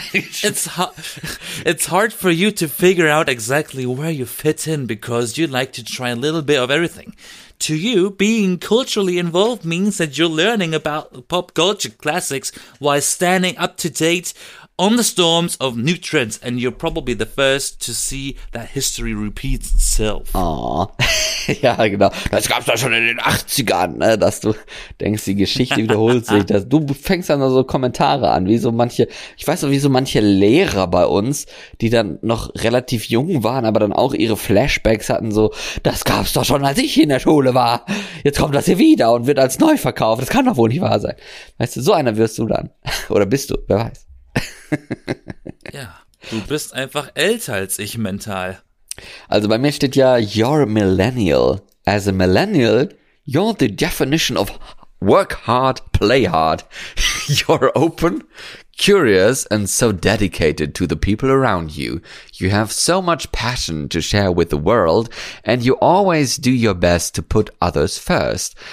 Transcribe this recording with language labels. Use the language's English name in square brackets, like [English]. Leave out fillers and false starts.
[English] It's hard for you to figure out exactly where you fit in, because you like to try a little bit of everything. To you, being culturally involved means that you're learning about pop culture classics while standing up to date on the storms of new trends, and you're probably the first to see that history repeats itself. [German] Oh. Ja, genau. Das gab's ja schon in den 80ern, ne? Dass du denkst, die Geschichte wiederholt sich. Dass du fängst dann so Kommentare an, wie so manche, ich weiß noch, wie so manche Lehrer bei uns, die dann noch relativ jung waren, aber dann auch ihre Flashbacks hatten, so, das gab's doch schon, als ich in der Schule war. Jetzt kommt das hier wieder und wird als neu verkauft. Das kann doch wohl nicht wahr sein. Weißt du, so einer wirst du dann. Oder bist du, wer weiß. Ja, du bist einfach älter als ich mental. Also bei mir steht ja, [English] you're a millennial. As a millennial, you're the definition of work hard, play hard. You're open, curious and so dedicated to the people around you. You have so much passion to share with the world and you always do your best to put others first.